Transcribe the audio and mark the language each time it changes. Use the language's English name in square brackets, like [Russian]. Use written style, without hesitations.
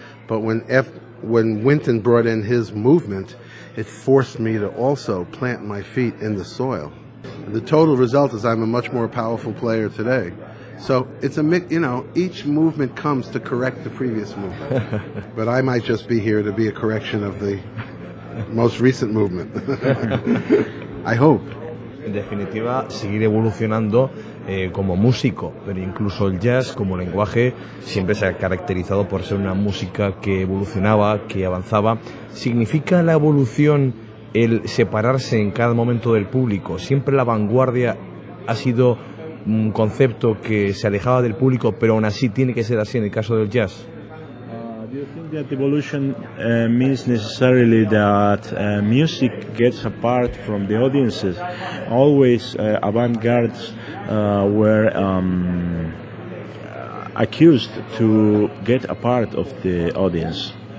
[English] But when Wynton brought in his movement, it forced me to also plant my feet in the soil. And the total result is I'm a much more powerful player today. So it's a each movement comes to correct the previous movement. But I might just be here to be a correction of the most recent movement. I hope. [Spanish] En definitiva, seguir evolucionando como músico, pero incluso el jazz como lenguaje siempre se ha caracterizado por ser una música que evolucionaba, que avanzaba. ¿Significa la evolución el separarse en cada momento del público? ¿Siempre la vanguardia ha sido un concepto que se alejaba del público, pero aún así tiene que ser así en el caso del jazz? [English] Do you think that evolution means necessarily that music gets apart from the audiences? Always avant-garde were accused to get a part of the audience.